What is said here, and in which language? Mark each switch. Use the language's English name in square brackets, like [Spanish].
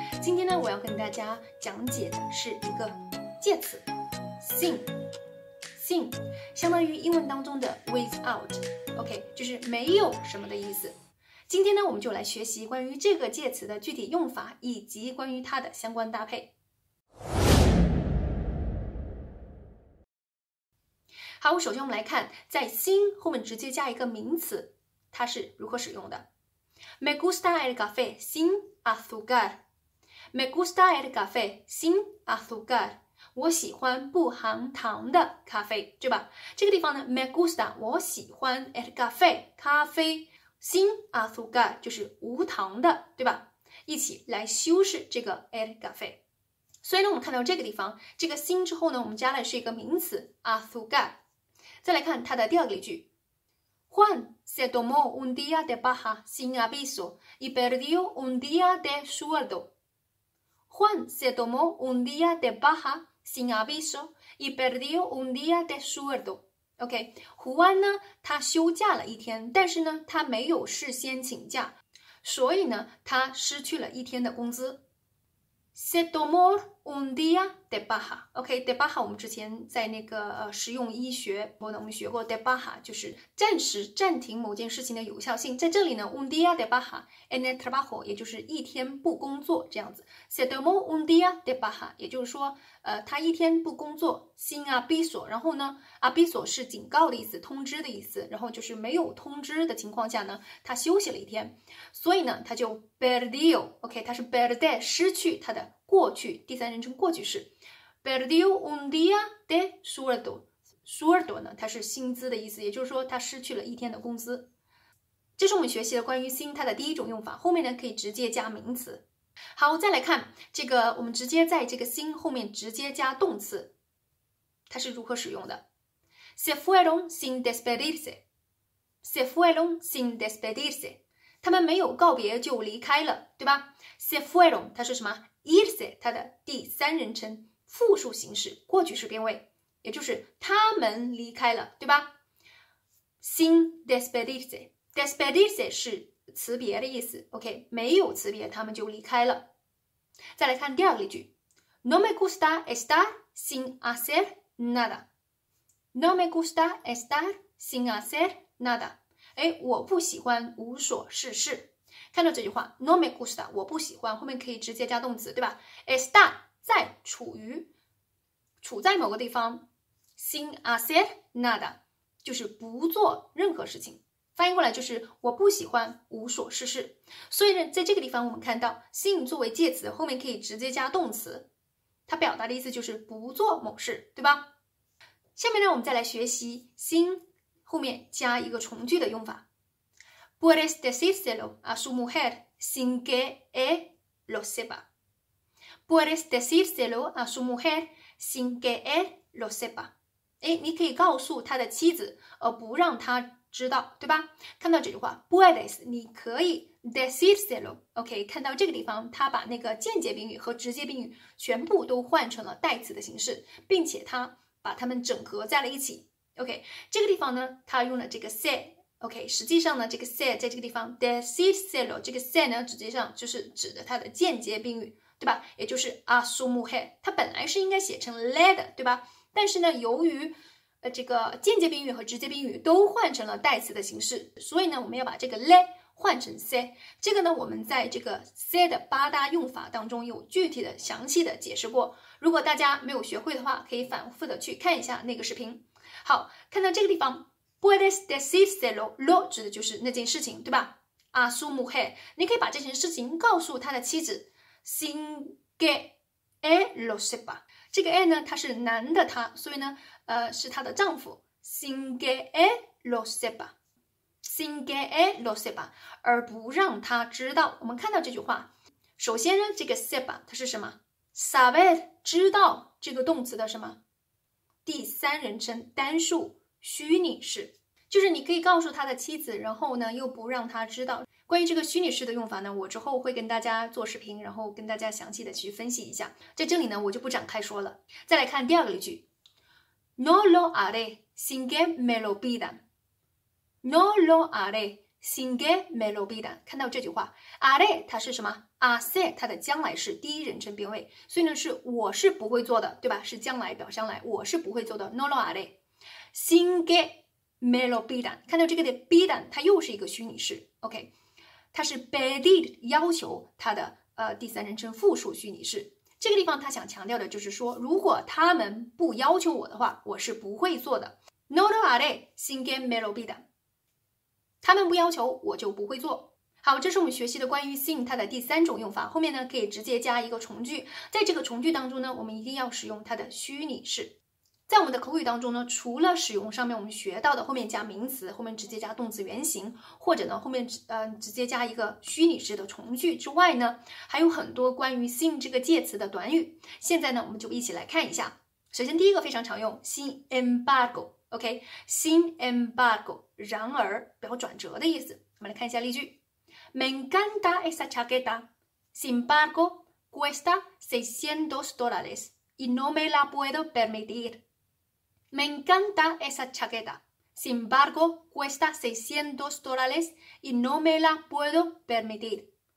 [Chinese] 今天呢，我要跟大家讲解的是一个介词 ，sin， 相当于英文当中的 without， OK， 就是没有什么的意思。今天呢，我们就来学习关于这个介词的具体用法，以及关于它的相关搭配。好，首先我们来看，在 sin 后面直接加一个名词。它是如何使用的 ？ [Spanish] Me gusta el café sin azúcar. Me gusta el café sin azúcar. [Chinese] 我喜欢不含糖的咖啡，对吧？这个地方呢 ， [Spanish] me gusta [Chinese] 我喜欢 [Spanish] el café [Chinese] 咖啡 [Spanish] sin azúcar [Chinese] 就是无糖的，对吧？一起来修饰这个 el café。所以呢，我们看到这个地方，这个 sin 之后呢，我们加的是一个名词 azúcar。再来看它的第二个例句。 [Spanish] Juan se tomó un día de baja sin aviso y perdió un día de sueldo. Juan se tomó un día de baja sin aviso y perdió un día de sueldo. [Chinese] OK， 胡安呢，他休假了一天，但是呢，他没有事先请假，所以呢，他失去了一天的工资。 [Spanish] Se tomó un día de baja. [Chinese] OK, de baja 我们之前在那个实用医学我们学过 de baja 就是暂时暂停某件事情的有效性。在这里呢 [Spanish] un día de baja en el trabajo [Chinese] 也就是一天不工作这样子。 [Spanish] Se tomó un día de baja [Chinese] 也就是说他一天不工作 [Spanish] sin aviso， [Chinese] 然后呢 aviso 是警告的意思，通知的意思，然后就是没有通知的情况下呢他休息了一天。所以呢他就 perdió， OK, 他是 perdé 失去他的过去第三人称过去式 [Spanish] perdió un día de sueldo， [Chinese] sueldo 呢它是薪资的意思，也就是说他失去了一天的工资。这是我们学习的关于 sin 它的第一种用法，后面呢可以直接加名词。好，再来看这个，我们直接在这个 sin 后面直接加动词，它是如何使用的。 [Spanish] Se fueron sin despedirse， Se fueron sin despedirse， [Chinese] 他们没有告别就离开了，对吧？ [Spanish] Se fueron [Chinese] 它是什么？irse 它的第三人称复数形式过去式变位，也就是他们离开了，对吧？ [Spanish] sin despedirse， [Chinese] despedirse 是辞别的意思， OK， 没有辞别他们就离开了。再来看第二个例句， [Spanish] no me gusta estar sin hacer nada， no me gusta estar sin hacer nada， [Chinese] 哎，我不喜欢无所事事。看到这句话 [Spanish] no me gusta [Chinese] 我不喜欢，后面可以直接加动词，对吧？ está 在处于处在某个地方 [Spanish] sin hacer nada [Chinese] 就是不做任何事情，翻译过来就是我不喜欢无所事事。所以呢，在这个地方我们看到 sin 作为介词后面可以直接加动词，它表达的意思就是不做某事，对吧？下面呢，我们再来学习 sin 后面加一个从句的用法。 [Spanish] Puedes decírselo a su mujer sin que él lo sepa. Puedes decírselo a su mujer sin que él lo sepa. [Chinese] 哎，你可以告诉他的妻子，而不让他知道，对吧？看到这句话 ，puedes， 你可以 decírselo。 OK， 看到这个地方，他把那个间接宾语和直接宾语全部都换成了代词的形式，并且他把它们整合在了一起。 OK， 这个地方呢，他用了这个 say。OK， 实际上呢，这个 say 在这个地方 decirlo 这个 say 呢，实际上就是指的它的间接宾语，对吧？也就是 a su mujer， 它本来是应该写成 le 的，对吧？但是呢，由于这个间接宾语和直接宾语都换成了代词的形式，所以呢，我们要把这个 le 换成 say。这个呢，我们在这个 say 的八大用法当中有具体的、详细的解释过。如果大家没有学会的话，可以反复的去看一下那个视频。好，看到这个地方。 [Spanish] Puedes decírselo， [Chinese] lo 指的就是那件事情，对吧？ [Spanish] A su mujer， [Chinese] 你可以把这件事情告诉他的妻子 [Spanish] sin que él lo sepa。 [Chinese] 这个 él 呢，他是男的他，所以呢是他的丈夫 [Spanish] sin que él lo sepa， [Chinese] sin que él lo sepa， 而不让他知道。我们看到这句话，首先呢，这个 sepa 它是什么？ [Spanish] saber， [Chinese] 知道，这个动词的什么第三人称单数虚拟式，就是你可以告诉他的妻子，然后呢又不让他知道。关于这个虚拟式的用法呢，我之后会跟大家做视频，然后跟大家详细的去分析一下，在这里呢我就不展开说了。再来看第二个例句， [Spanish] No lo haré sin que me lo pidan， No lo haré sin que me lo pidan， [Chinese] 看到这句话 ，haré 它是什么 ？hacer 它的将来是第一人称变位，所以呢是我是不会做的，对吧？是将来表将来，我是不会做的 ， [Spanish] no lo haré。 sin que me lo pidan， [Chinese] 看到这个的 pidan， 它又是一个虚拟式 ，OK， 它是 pedir 要求它的第三人称复数虚拟式。这个地方他想强调的就是说，如果他们不要求我的话，我是不会做的。 [Spanish] No lo haré sin que me lo pidan。 [Chinese] 他们不要求我就不会做。好，这是我们学习的关于 sin 它的第三种用法，后面呢可以直接加一个从句，在这个从句当中呢，我们一定要使用它的虚拟式。在我们的口语当中呢，除了使用上面我们学到的后面加名词，后面直接加动词原形，或者呢后面直接加一个虚拟式的从句之外呢，还有很多关于 sin 这个介词的短语，现在呢我们就一起来看一下。首先第一个非常常用 sin embargo，OK， sin embargo， 然而表转折的意思。我们来看一下例句。 [Spanish] Me encanta esa chaqueta. Sin embargo, cuesta $600 y no me la puedo permitir. Me encanta esa chaqueta. Sin embargo, cuesta $600 y no me la puedo permitir.